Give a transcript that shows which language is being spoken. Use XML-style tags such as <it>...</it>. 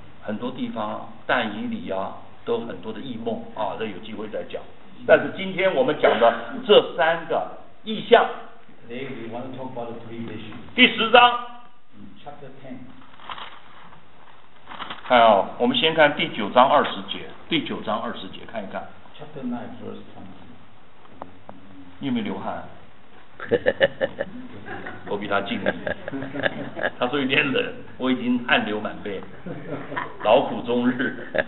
<zh>很多地方但以理啊都很多的异梦啊，这有机会再讲。但是今天我们讲的这三个异象。</zh> <en>Today we want to talk about the three visions.</en> <zh>第十章。</zh> <en>Chapter ten.</en> <zh>看哦，我们先看第九章二十节，第九章二十节看一看。</zh> <en>Chapter nine, verse twenty.</en> <zh>你有没有流汗？我比他近一点，他说有点冷，我已经汗流满背，劳苦终日。</zh>